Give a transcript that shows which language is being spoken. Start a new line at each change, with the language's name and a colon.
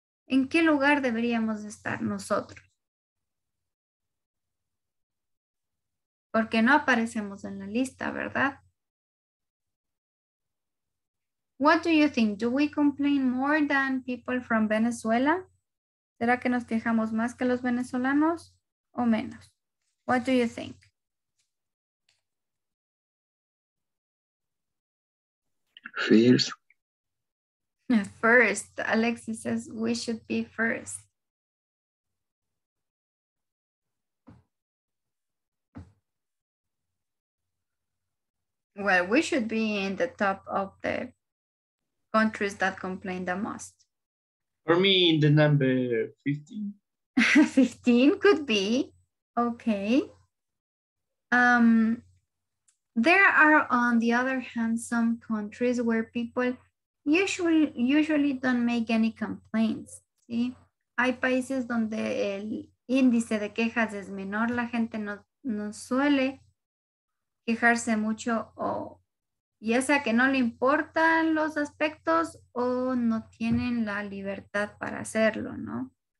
Spanish: ¿En qué lugar deberíamos estar nosotros? Porque no aparecemos en la lista, ¿verdad?
English: What do you think? Do we complain more than people from Venezuela?
Spanish: ¿Será que nos quejamos más que los venezolanos o menos?
English: What do you think? First, Alexis says we should be first. Well, we should be in the top of the countries that complain the most. For me, in the number 15. 15 could be. Okay. There are, on the other hand, some countries where people usually don't make any complaints.
Spanish: ¿Sí? Hay países donde el índice de quejas es menor, la gente no suele quejarse mucho, o ya sea que no le importan los aspectos o no tienen la libertad para hacerlo, ¿no?